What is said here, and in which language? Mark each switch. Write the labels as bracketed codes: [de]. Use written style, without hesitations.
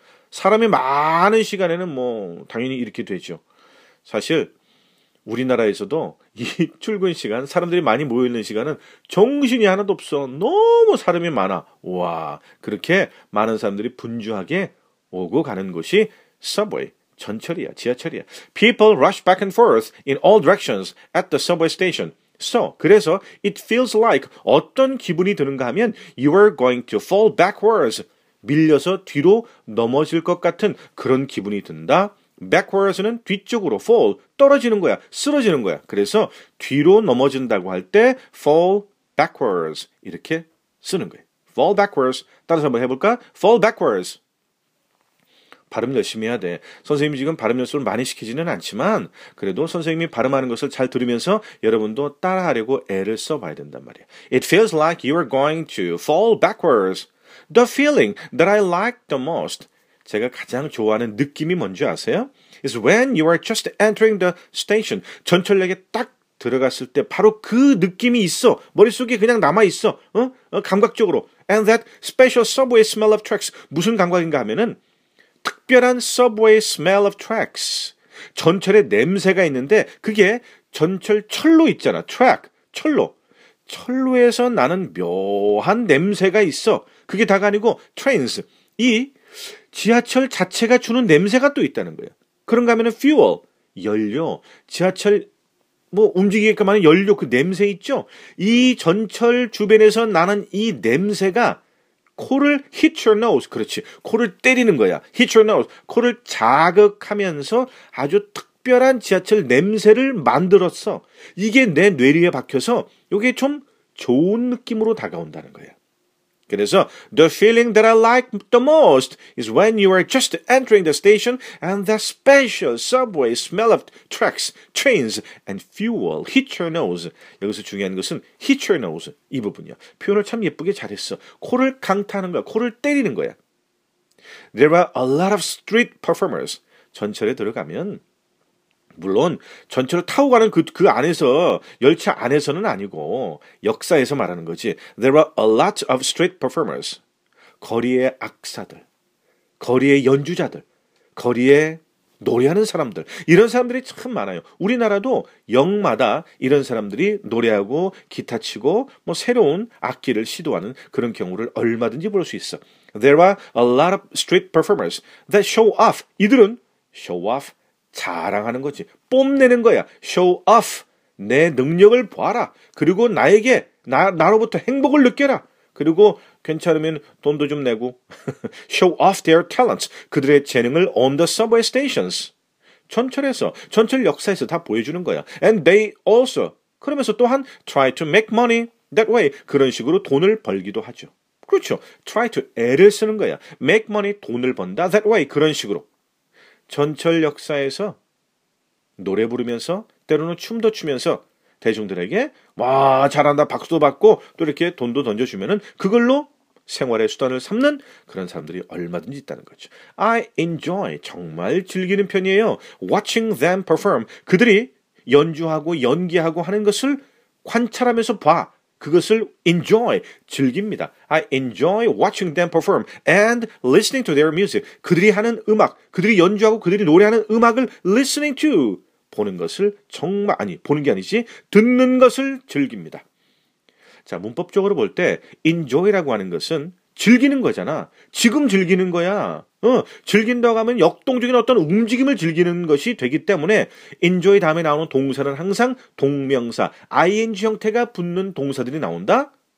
[ko] 사람이 많은 시간에는 뭐 당연히 이렇게 되죠. 사실 우리나라에서도 이 출근 시간, 사람들이 많이 모여있는 시간은 정신이 하나도 없어. 너무 사람이 많아. 와, 그렇게 많은 사람들이 분주하게 오고 가는 곳이 subway, 전철이야, 지하철이야. [en] People rush back and forth in all directions at the subway station. So, [ko] 그래서 [en] it feels like [ko] 어떤 기분이 드는가 하면 [en] you are going to fall backwards. [ko] 밀려서 뒤로 넘어질 것 같은 그런 기분이 든다. Backwards는 뒤쪽으로 fall, 떨어지는 거야, 쓰러지는 거야. 그래서 뒤로 넘어진다고 할 때 fall backwards 이렇게 쓰는 거야. Fall backwards. 따라서 한번 해볼까? Fall backwards. 발음 열심히 해야 돼. 선생님이 지금 발음 연습을 많이 시키지는 않지만 그래도 선생님이 발음하는 것을 잘 들으면서 여러분도 따라하려고 애를 써봐야 된단 말이야. [en] It feels like you are going to fall backwards. The feeling that I like the most. [ko] 제가 가장 좋아하는 느낌이 뭔지 아세요? [en] Is when you are just entering the station. [ko] 전철역에 딱 들어갔을 때 바로 그 느낌이 있어. 머릿속에 그냥 남아있어. 감각적으로. [en] And that special subway smell of tracks. [ko] 무슨 감각인가 하면은 특별한 [en] subway smell of tracks. [ko] 전철의 냄새가 있는데 그게 전철 철로 있잖아. track, 철로. 철로에서 나는 묘한 냄새가 있어. 그게 다가 아니고 trains. 이 지하철 자체가 주는 냄새가 또 있다는 거예요. 그런가 하면 fuel, 연료. 지하철 뭐 움직이게끔 하는 연료 그 냄새 있죠? 이 전철 주변에서 나는 이 냄새가 코를 [en] hit your nose, [ko] 그렇지. 코를 때리는 거야. hit your nose. 코를 자극하면서 아주 특별한 지하철 냄새를 만들었어. 이게 내 뇌리에 박혀서 이게 좀 좋은 느낌으로 다가온다는 거야. 그래서 [en] the feeling that I like the most is when you are just entering the station and that special subway smell of tracks, trains, and fuel hit your nose. [ko] 여기서 중요한 것은 hit your nose 이 부분이야. 표현을 참 예쁘게 잘했어. 코를 강타하는 거야. 코를 때리는 거야. [en] There are a lot of street performers. [ko] 전철에 들어가면 물론 전철을 타고 가는 그 안에서 열차 안에서는 아니고 역사에서 말하는 거지. [en] There are a lot of street performers. [ko] 거리의 악사들, 거리의 연주자들, 거리의 노래하는 사람들, 이런 사람들이 참 많아요. 우리나라도 역마다 이런 사람들이 노래하고 기타 치고 뭐 새로운 악기를 시도하는 그런 경우를 얼마든지 볼 수 있어. [en] There are a lot of street performers that show off. [ko] 이들은 show off, 자랑하는 거지. 뽐내는 거야. Show off, 내 능력을 봐라. 그리고 나에게, 나로부터 행복을 느껴라. 그리고 괜찮으면 돈도 좀 내고. [en] Show off their talents. [ko] 그들의 재능을 [en] on the subway stations. [ko] 전철에서, 전철 역사에서 다 보여주는 거야. [en] And they also, [ko] 그러면서 또한 [en] try to make money that way. [ko] 그런 식으로 돈을 벌기도 하죠. 그렇죠. Try to, 애를 쓰는 거야. Make money, 돈을 번다. That way, 그런 식으로. 전철 역사에서 노래 부르면서 때로는 춤도 추면서 대중들에게 와 잘한다 박수도 받고 또 이렇게 돈도 던져주면은 그걸로 생활의 수단을 삼는 그런 사람들이 얼마든지 있다는 거죠. [en] I enjoy, [ko] 정말 즐기는 편이에요. [en] Watching them perform, [ko] 그들이 연주하고 연기하고 하는 것을 관찰하면서 봐. 그것을 enjoy, 즐깁니다. [en] I enjoy watching them perform and listening to their music. [ko] 그들이 하는 음악, 그들이 연주하고 그들이 노래하는 음악을 listening to, 보는 것을 정말, 아니, 보는 게 아니지, 듣는 것을 즐깁니다. 자, 문법적으로 볼 때 enjoy라고 하는 것은 즐기는 거잖아. 지금 즐기는 거야. 즐긴다고 하면 역동적인 어떤 움직임을 즐기는 것이 되기 때문에 enjoy 다음에 나오는 동사는 항상 동명사, ing 형태가 붙는 동사들이 나온다.